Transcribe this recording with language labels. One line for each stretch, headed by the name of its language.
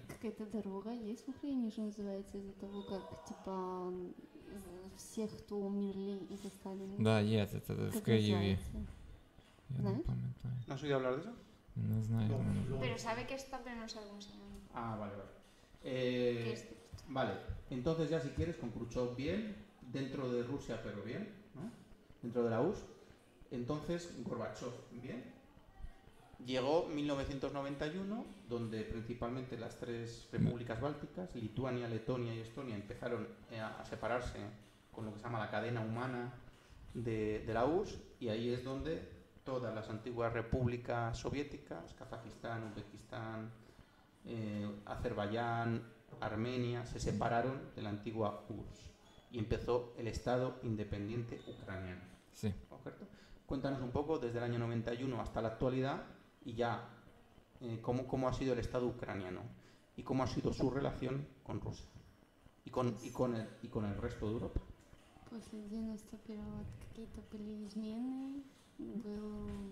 Russian: Какая-то дорога есть в Украине, что называется, из-за того, как типа все, кто умерли из-за Сталина. Да, есть, это в Киеве. Знаешь?
Spanish: ¿No has oído hablar de eso? No
Russian: знаю.
Spanish: Pero sabe que está, pero no sabe cómo se llama. Ah, vale. Vale, entonces ya si quieres, con Khrushchev bien, dentro de Rusia, pero bien, ¿no? Dentro de la URSS. Entonces, Gorbachev bien. Llegó 1991, donde principalmente las tres repúblicas bálticas, Lituania, Letonia y Estonia, empezaron a separarse con lo que se llama la cadena humana de la URSS, y ahí es donde todas las antiguas repúblicas soviéticas, Kazajistán, Uzbekistán, Azerbaiyán, Armenia, se separaron de la antigua URSS y empezó el Estado independiente ucraniano. Sí. ¿Correcto? Cuéntanos un poco, desde el año 91 hasta la actualidad, y ya, ¿cómo ha sido el Estado ucraniano? ¿Y cómo ha sido su relación con Rusia? ¿Y con el resto de Europa? Pues el 91,
Russian: какие-то были измены, был...